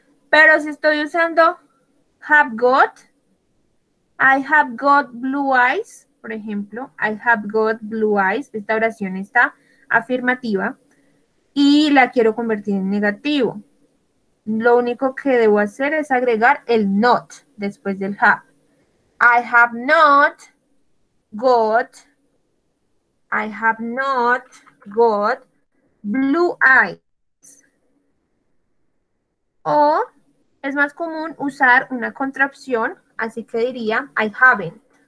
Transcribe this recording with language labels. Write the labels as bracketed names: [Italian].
[Spanish] Pero si estoy usando have got, [English] I have got blue eyes, [Spanish] por ejemplo, I have got blue eyes, esta oración está afirmativa y la quiero convertir en negativo. Lo único que debo hacer es agregar el not después del have. [English] I have not got, I have not got blue eyes. [Spanish] O es más común usar una contracción, así que diría [English] I haven't.